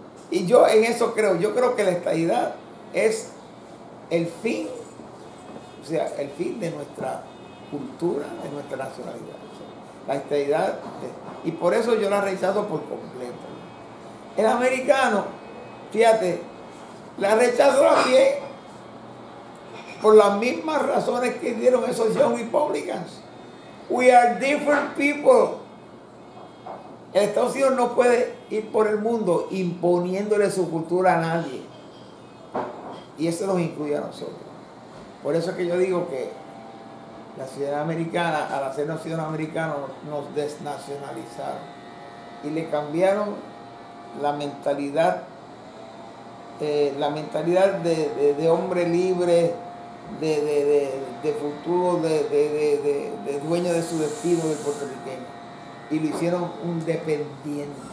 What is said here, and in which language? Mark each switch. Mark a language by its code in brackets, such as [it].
[es] Y yo en eso creo, yo creo que la estadidad es el fin, o sea, el fin de nuestra cultura, de nuestra nacionalidad. O sea, la estadidad, y por eso yo la rechazo por completo. El americano, fíjate, la rechazó a pie por las mismas razones que dieron esos Young Republicans. [en] We are different people. [es] El Estados Unidos no puede ir por el mundo imponiéndole su cultura a nadie y eso nos incluye a nosotros. Por eso es que yo digo que la ciudadanía americana, al hacernos ciudadanos americanos, nos desnacionalizaron y le cambiaron la mentalidad de hombre libre, de futuro, de dueño de su destino, del puertorriqueño, y lo hicieron un dependiente.